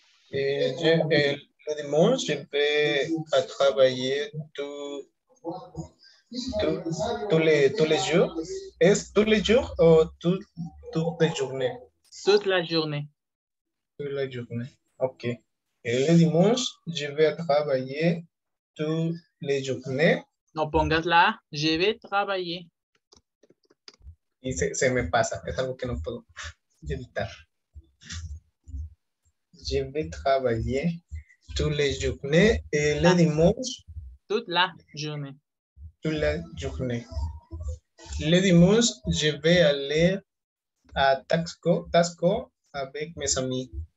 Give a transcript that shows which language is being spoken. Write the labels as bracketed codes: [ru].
[fr] Le dimanche, je vais travailler tous les jours. Est-ce tous les jours ou toute la journée? Toute la journée. Toute la journée. OK. Et le dimanche, je vais travailler toutes les journées. [es] No pongas la A, [fr] je vais travailler. [es] Y se me pasa, es algo que no puedo evitar. [fr] Je vais travailler toutes les journées et le dimanche. Toute la journée. Toute la journée. Le dimanche, je vais aller à Taxco avec mes amis.